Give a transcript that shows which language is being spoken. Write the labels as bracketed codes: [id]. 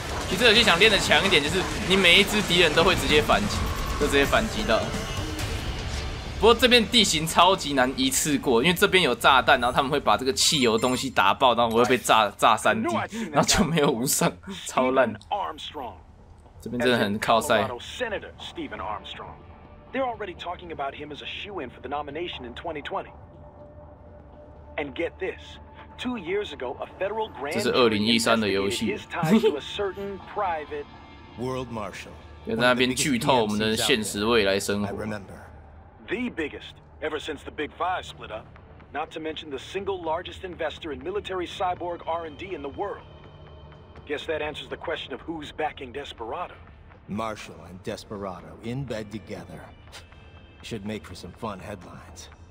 [zh] 其实有些想练的强一点，就是你每一只敌人都会直接反击，就直接反击到。不过这边地形超级难一次过，因为这边有炸弹，然后他们会把这个汽油东西打爆，然后我会被炸三滴，然后就没有无伤，超烂。这边真的很靠塞。 [en] Senator Stephen Armstrong, they're already talking about him as a shoe-in for the nomination in 2020. And get this, 2 years ago, a federal grand jury investigated his ties to a certain private world marshal. [zh] 在那边剧透我们的现实未来生活。 [en] The biggest ever since the Big Five split up, not to mention the single largest investor in military cyborg R&D in the world. Guess that answers the question of who's backing Desperado. Marshall and Desperado in bed together should make for some fun headlines.